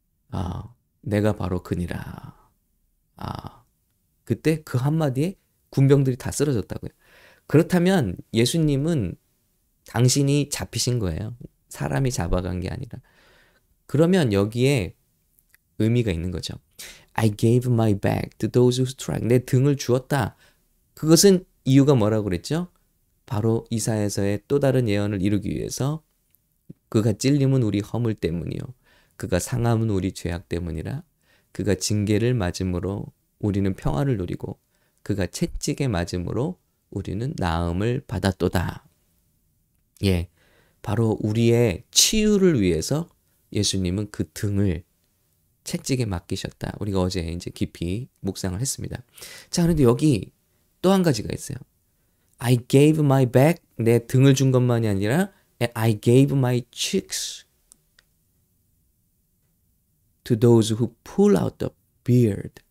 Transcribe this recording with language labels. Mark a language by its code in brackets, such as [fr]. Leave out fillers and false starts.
[ko] 아, 내가 바로 그니라. 아, 그때 그 한마디에 군병들이 다 쓰러졌다고요. 그렇다면 예수님은 당신이 잡히신 거예요. 사람이 잡아간 게 아니라. 그러면 여기에 의미가 있는 거죠. [en] I gave my back to those who strike. [ko] 내 등을 주었다. 그것은 이유가 뭐라고 그랬죠? 바로 이사야서의 또 다른 예언을 이루기 위해서 그가 찔림은 우리 허물 때문이요. 그가 상함은 우리 죄악 때문이라. 그가 징계를 맞음으로 우리는 평화를 누리고 그가 채찍에 맞음으로 우리는 나음을 받았도다. 예. 바로 우리의 치유를 위해서 예수님은 그 등을 채찍에 맡기셨다. 우리가 어제 이제 깊이 묵상을 했습니다. 자, 그런데 여기 또한 가지가 있어요. [en] I gave my back, [ko] 내 등을 준 것만이 아니라 [en] I gave my cheeks to those who pull out the beard.